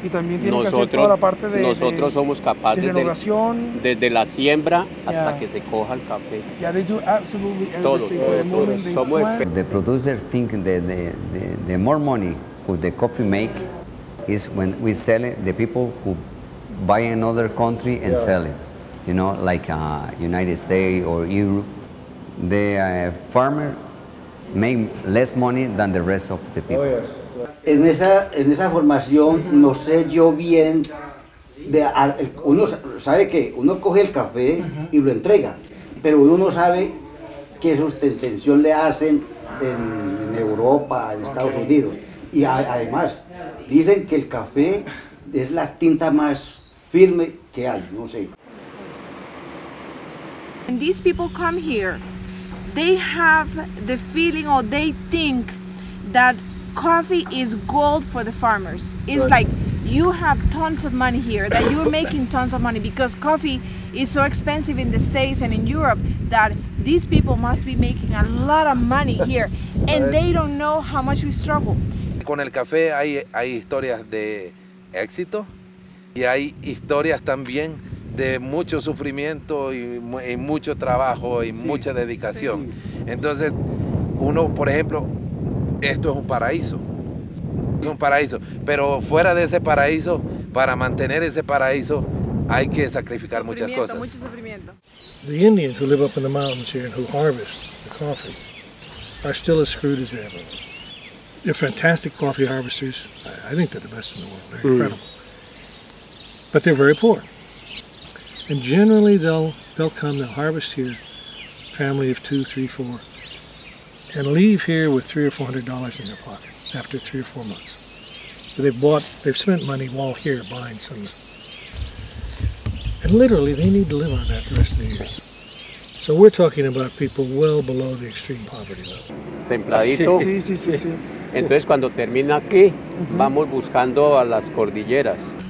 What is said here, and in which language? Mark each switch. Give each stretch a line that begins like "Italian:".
Spanish: Y también tiene nosotros, que hacer toda la parte de nosotros somos capaces de renovación, desde la siembra hasta que se coja el café.
English: Yeah, they do absolutely
Spanish: todo, everything. Todo, todo.
English: The producers think the more money who the coffee make is when we sell it, the people who buy another country and sell it. You know, like United States or Europe. The farmer make less money than the rest of the people. Oh, yes.
Spanish: En esa formación no sé yo bien de uno sabe que uno coge el café y lo entrega, pero uno no sabe qué sustentación le hacen en Europa, en Estados Unidos. Y además dicen que el café es la tinta más firme que hay, no sé.
English: And these people come here, they have the feeling or they think that coffee is gold for the farmers. It's right. Like you have tons of money here, that you're making tons of money because coffee is so expensive in the States and in Europe that these people must be making a lot of money here and they don't know how much we struggle.
Spanish: Con el café hay historias de éxito y hay historias también de mucho sufrimiento y mucho trabajo y mucha dedicación. Entonces, uno, por ejemplo, esto es un paraíso, pero fuera de ese paraíso, para mantener ese paraíso, hay que sacrificar muchas cosas.
English: The Indians who live up in the mountains here and who harvest the coffee are still as screwed as ever. They're fantastic coffee harvesters. I think they're the best in the world. They're incredible. But they're very poor. And generally they'll come, they'll harvest here, family of two, three, four, and leave here with $300 or $400 in their pocket after 3 or 4 months. They've spent money while here buying some. And literally they need to live on that the rest of the year. So we're talking about people well below the extreme poverty level.
Spanish: Templadito. Sí. Entonces cuando termina aquí, vamos buscando a las cordilleras.